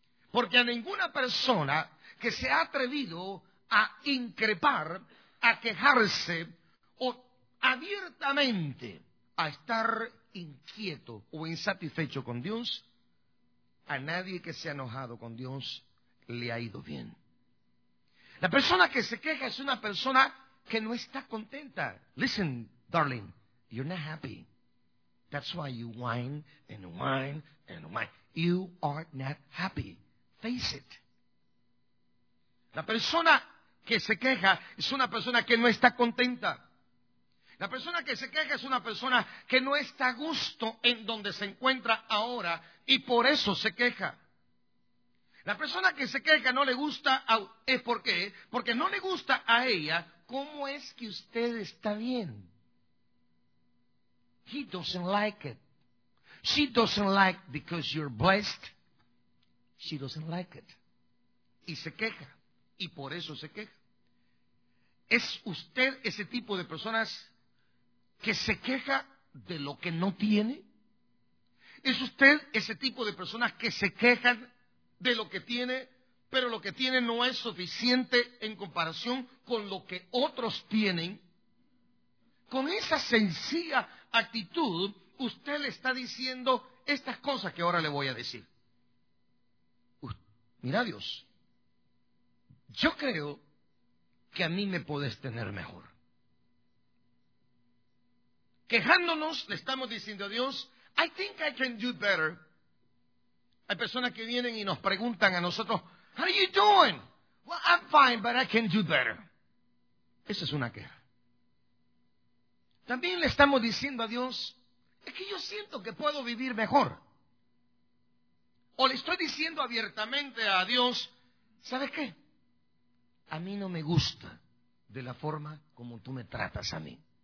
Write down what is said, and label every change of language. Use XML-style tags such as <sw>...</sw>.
<es>Porque a ninguna persona que se ha atrevido a increpar, a quejarse o abiertamente a estar inquieto o insatisfecho con Dios, a nadie que se ha enojado con Dios le ha ido bien. La persona que se queja es una persona que no está contenta.</es> <en>Listen, darling, you're not happy. That's why you whine and whine and whine. You are not happy. Face it.</en> <es>La persona que se queja es una persona que no está contenta. La persona que se queja es una persona que no está a gusto en donde se encuentra ahora y por eso se queja. La persona que se queja no le gusta, ¿es por qué? Porque no le gusta a ella cómo es que usted está bien.</es> <en>He doesn't like it. She doesn't like because you're blessed. She doesn't like it.</en> <es>Y se queja. Y por eso se queja. ¿Es usted ese tipo de personas que se queja de lo que no tiene? ¿Es usted ese tipo de personas que se quejan de lo que tiene, pero lo que tiene no es suficiente en comparación con lo que otros tienen? Con esa sencilla actitud, usted le está diciendo estas cosas que ahora le voy a decir. Mira, Dios, yo creo que a mí me puedes tener mejor. Quejándonos, le estamos diciendo a Dios,</es> <en>I think I can do better.</en> <es>Hay personas que vienen y nos preguntan a nosotros,</es> <en>how are you doing? Well, I'm fine, but I can do better.</en> <es>Esa es una queja. También le estamos diciendo a Dios, es que yo siento que puedo vivir mejor. O le estoy diciendo abiertamente a Dios, ¿sabes qué? A mí no me gusta de la forma como tú me tratas a mí.</es>